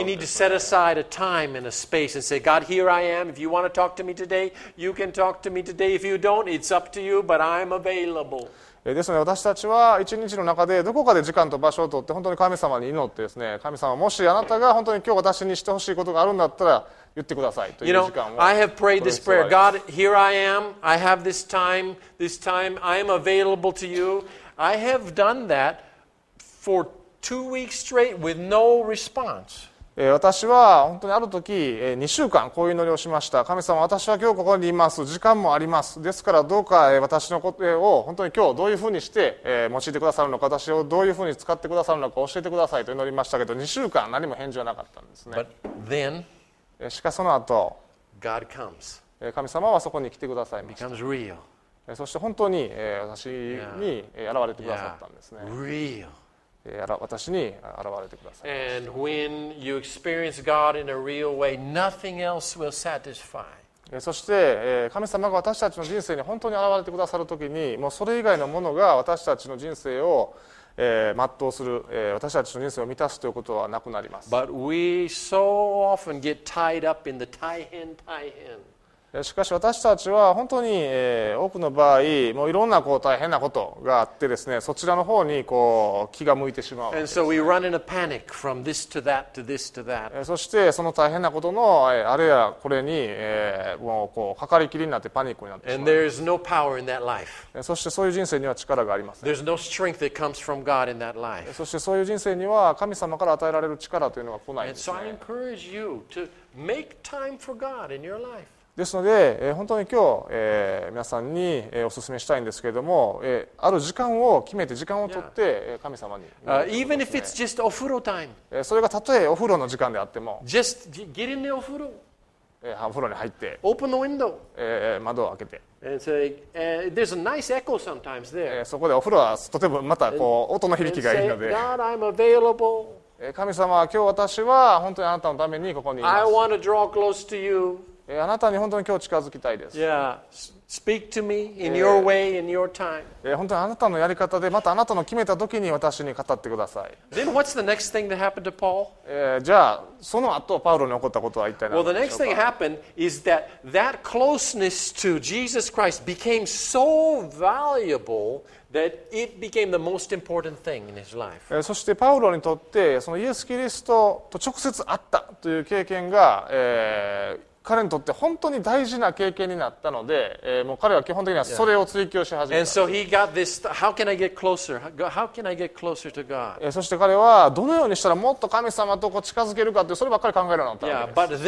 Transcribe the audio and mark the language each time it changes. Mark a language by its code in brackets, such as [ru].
[en] We need to set aside a time and a space and say, God, here I am. If you want to talk to me today, you can talk to me today. If you don't, it's up to you, but I'm available. [ja] ですので私たちは一日の中でどこかで時間と場所を取って本当に神様に祈ってですね、神様もしあなたが本当に今日私にしてほしいことがあるんだったら言ってくださいという時間を。 [en] You know, I have prayed this prayer. God, here I am. I have this time. This time I am available to you. I have done that for 2 weeks straight with no response. [ja] 私は本当にある時2週間こういう祈りをしました。神様、私は今日ここにいます、時間もあります、ですからどうか私のことを本当に今日どういうふうにして用いてくださるのか、私をどういうふうに使ってくださるのか教えてくださいと祈りましたけど、2週間何も返事はなかったんですね。 [en] But then, [ja] しかその後 [en] God comes. [ja] 神様はそこに来てくださいました。 [en] becomes real. [ja] そして本当に私に現れてくださったんですね。 [en] yeah. Yeah. Real. [ja] 私に現れてください。 [en] And when you experience God in a real way, nothing else will satisfy. [ja] そして神様が私たちの人生に本当に現れてくださるときに、もうそれ以外のものが私たちの人生を全うする、私たちの人生を満たすということはなくなります。 [en] But we so often get tied up in the [ja] 大変大変。しかし私たちは本当に多くの場合、もういろんなこう大変なことがあってですね、そちらの方にこう気が向いてしまうわけです、ね。そしてその大変なことのあれやこれにもうこうかかりきりになってパニックになってしまう。そしてそういう人生には力がありません。そしてそういう人生には神様から与えられる力というのが来ないんですね。 [en] And so I encourage you to make time for God in your life. [ja] ですので、本当に今日、皆さんに、お勧めしたいんですけれども、ある時間を決めて、時間を取って、神様に、 [en] even if it's just お風呂 time、 [ja] それがたとえお風呂の時間であっても、 [en] just get in the お風呂、 [ja] お風呂に入って、 [en] open the window、 [ja] 窓を開けて、 [en] and say, there's a nice echo sometimes there、 [ja] そこでお風呂はとてもまたこう音の響きがいいので、 [en] God, I'm available。 [ja] 神様、今日私は本当にあなたのためにここにいます。 [en] I want to draw close to you。 [ja] あなたに本当に今日近づきたいです。 [en] Speak to me in your way, in your time。 [ja] 本当にあなたのやり方で、またあなたの決めた時に私に語ってください。 [en] Then what's the next thing that happened to Paul? [ja] じゃあその後パウロに起こったことは一体何でしょうか。 [en] Well, the next thing happened is that that closeness to Jesus Christ became so valuable. That it became the most important thing in his life. [ja] そしてパウロにとってそのイエス・キリストと直接会ったという経験が、彼にとって本当に大事な経験になったので、もう彼は基本的にはそれを追求し始めた。 [en] And so he got this, how can I get closer? How can I get closer to God? [ja] そして彼はどのようにしたらもっと神様とこう近づけるかってそればっかり考えるようになったわけです。